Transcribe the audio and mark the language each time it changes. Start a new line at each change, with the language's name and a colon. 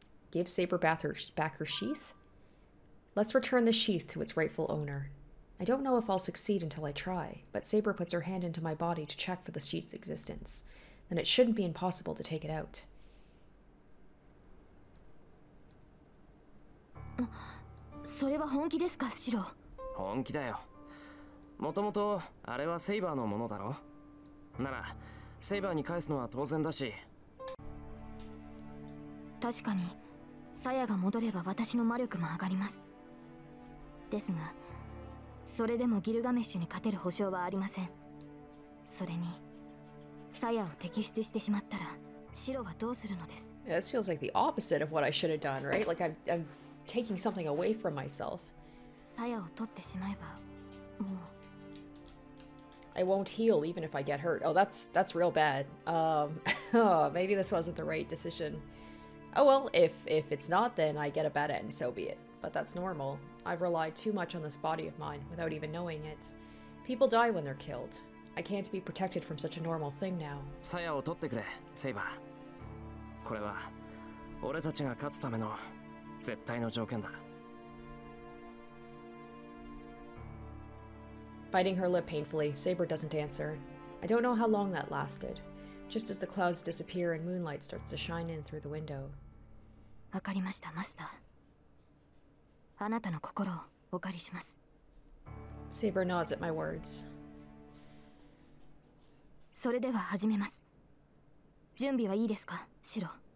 English: Give Saber back her sheath? Let's return the sheath to its rightful owner. I don't know if I'll succeed until I try, but Saber puts her hand into my body to check for the sheath's existence. Then it shouldn't be impossible to take it out.
Japanese: それは本気ですか、シロ？本気だよ。もともとあれはセイバーのものだろ？なら、セイバーに返すのは当然だし。確かに。鞘が戻れば私の魔力も上がります。ですが、それでもギルガメッシュに勝てる保証はありません。それに、サヤを敵出してしまったら、シロはどうするのです。
English: This feels like the opposite of what I should have done, right? Like I'm taking something away from myself.
Japanese: サヤを取ってしまえば、もう。
English: I won't heal even if I get hurt. Oh, that's real bad. maybe this wasn't the right decision. Oh well, if it's not, then I get a bad end, so be it. But that's normal. I've relied too much on this body of mine without even knowing it. People die when they're killed. I can't be protected from such a normal thing now.
Japanese: Saya を取ってくれ、セイバー。これは俺たちが勝つための絶対の条件だ。
English: Biting her lip painfully, Saber doesn't answer. I don't know how long that lasted. Just as the clouds disappear and moonlight starts to shine in through the window.
Japanese: わかりました、マスター。あなたの心をお借りします。
English: Saber nods at my words.
Japanese: それでは始めます。準備はいいですか、シロ。